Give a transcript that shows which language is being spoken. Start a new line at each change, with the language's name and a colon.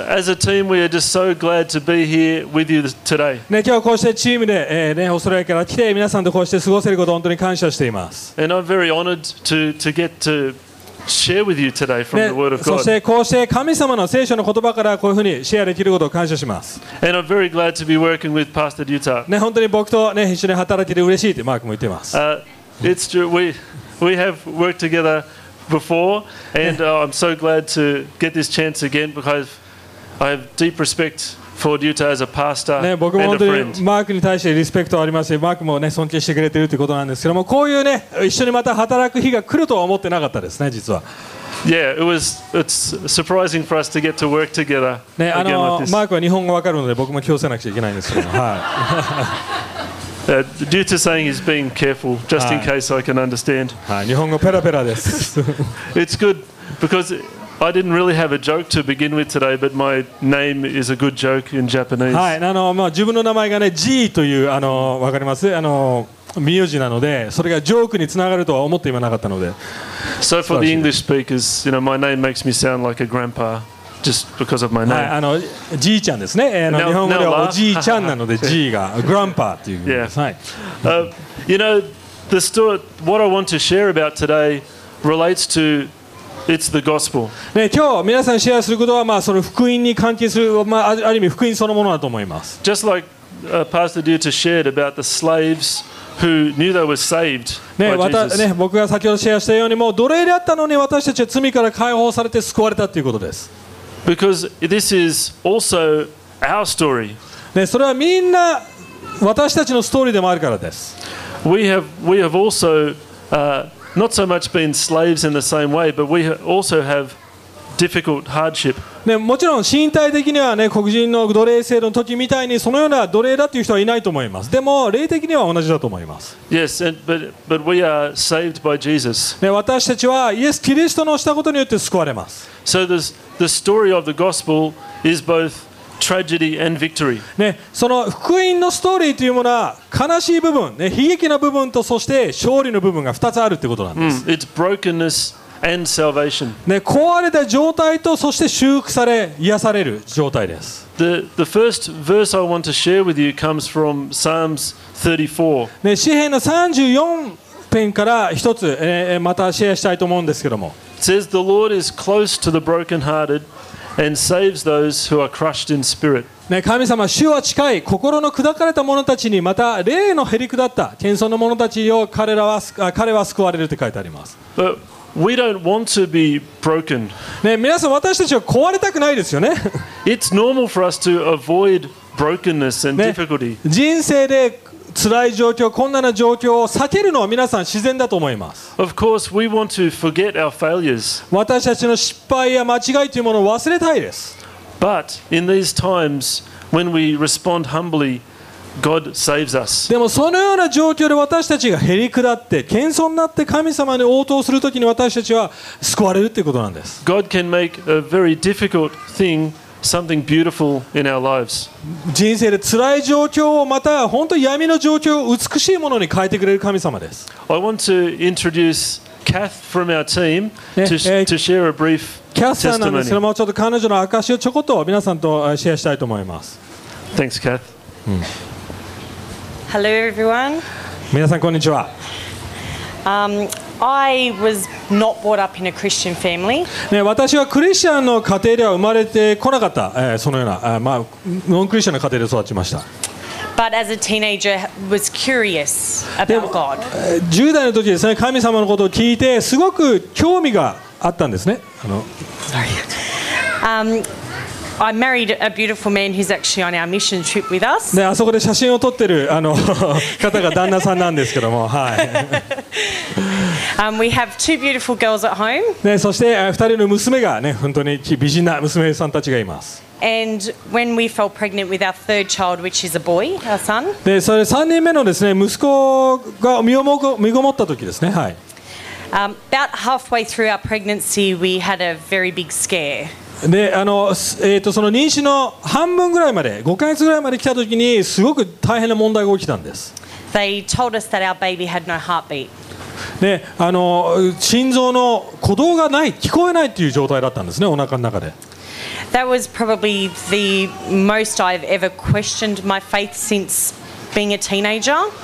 English: As a team, we are just so glad to be here with you today.
Japanese: ね、今日こうしてチームで、ね、オーストラリアから来て、皆さんとこうして過ごせること本当に感謝しています。
English: And I'm very honored to get to share with you today from the Word of God.
Japanese: そしてこうして神様の聖書の言葉からこういうふうにシェアできることを感謝します。
English: And I'm very glad to be working with Pastor Yuta.
Japanese: ね、本当に僕とね、一緒に働けて嬉しいってマークも言ってます。
English: It's true. We have worked together before, and I'm so glad to get this chance again because I have deep respect for Yuta as a pastor and a friend.
Japanese: ね、僕も本当にマークに対してリスペクトありますし、マークもね、尊敬してくれてるということなんですけども、こういうね、一緒にまた働く日が来るとは思ってなかったですね、実は。
English: Yeah, it's surprising for us to get to work together. ね、 like this.
Japanese: マークは日本語わかるので、僕も気をつけなくちゃいけないんですけども、はい。
English: Due to saying he's being careful, just in case I can understand.
Japanese: はい、日本語ペラペラです。
English: It's good because I didn't really have a joke to begin with today, but my name is a good joke in Japanese.
Japanese: はい、まあ、自分の名前がね、G というわかります？名字なので、それがジョークにつながるとは思って今なかったので。
English: So for the English speakers, you know, my name makes me sound like a grandpa. Just because of my name.
Japanese: はい、じいちゃんですね。日本語ではおじいちゃんなので、じいが、グランパーという意味です。はい。
English: You know, the story, what I want to share about today relates to it's the gospel.
Japanese: ね、今日皆さんシェアすることは、まあ、その福音に関係する、まあ、ある意味福音そのものだと思います。
English: Just like Pastor Dieter shared about the slaves who knew they were saved by Jesus.
Japanese: ね、僕が先ほどシェアしたように、もう奴隷であったのに私たちは罪から解放されて救われたということです。
English: Because this is also our story.
Japanese: ね、それはみんな私たちのストーリーでもあるからです。
English: We have also not so much been slaves in the same way, but we also have difficult hardship.
Japanese: ね、もちろん身体的にはね、黒人の奴隷制度の時みたいにそのような奴隷だという人はいないと思います。でも霊的には同じだと思います。
English: Yes, but we are saved by Jesus.
Japanese: ね、私たちはイエス・キリストのしたことによって救われます。
English: So there's the story of the gospel is both tragedy and victory.
Japanese: ね、その福音のストーリーというものは悲しい部分、ね、悲劇の部分とそして勝利の部分が2つあるということなんです。
English: It's brokenness and salvation.
Japanese: ね、壊れた状態とそして修復され癒される状態です。
English: The first verse I want to share with you comes from Psalms 34.
Japanese: ね、詩篇の34篇から一つ、またシェアしたいと思うんですけども。
English: It says the Lord is close to the brokenhearted and saves those who are crushed in spirit.
Japanese: ね、神様、主は近い、心の砕かれた者たちに、また霊の減り下った謙遜の者たちを彼は救われるって書いてあります。
English: But we don't want to be broken.
Japanese: ね、皆さん、私たちは壊れたくないですよね。
English: It's normal for us to avoid brokenness and difficulty.
Japanese: ね、人生で辛い状況、困難な状況を避けるのは皆さん自然だと思います。
English: Of course, we want to forget our failures.
Japanese: 私たちの失敗や間違いというものを忘れたいです。
English: But in these times, when we respond humbly, God saves us.
Japanese: でもそのような状況で私たちがへり下って謙遜になって神様に応答するときに私たちは救われるということなんです。
English: God can make a very difficult thing. Something beautiful in our lives.
Japanese: 人生で辛い状況をまた本当闇の状況を美しいものに変えてくれる神様です。
English: I want to introduce Kath from our team to share a brief testimony.
Japanese: Kath さんなんですけども、ちょっと彼女の証をちょこっと皆さんとシェアしたいと思います。
English: Thanks, Kath. Hello, everyone.
Japanese: 皆さんこんにちは。
English: I was not brought up in a Christian family.
Japanese: ね、私はクリスチャンの家庭では生まれてこなかった、そのような、まあ、ノンクリスチャンの家庭で育ちました。
English: But as a teenager, was curious about God.
Japanese: 10代の時ですね、神様のことを聞いてすごく興味があったんですね。
English: I married a beautiful man who's actually on our mission trip with us.
Japanese: ね、あそこで写真を撮ってる方が旦那さんなんですけども、はい。
English: We have two beautiful girls at home.
Japanese: ね、そして二人の娘がね、本当に美人な娘さんたちがいます。
English: And when we fell pregnant with our third child, which is a boy, our son.
Japanese: で、それ三人目のですね、息子が身ごもった時ですね、はい。
English: About halfway through our pregnancy, we had a very big scare.
Japanese: で、その妊娠の半分ぐらいまで、5ヶ月ぐらいまで来た時にすごく大変な問題が起きたんです。
English: They told us that our baby had no heartbeat.
Japanese: で、心臓の鼓動がない、聞こえないという状態だったんですね、お腹の中で。
English: That was probably the most I've ever questioned my faith since being a teenager.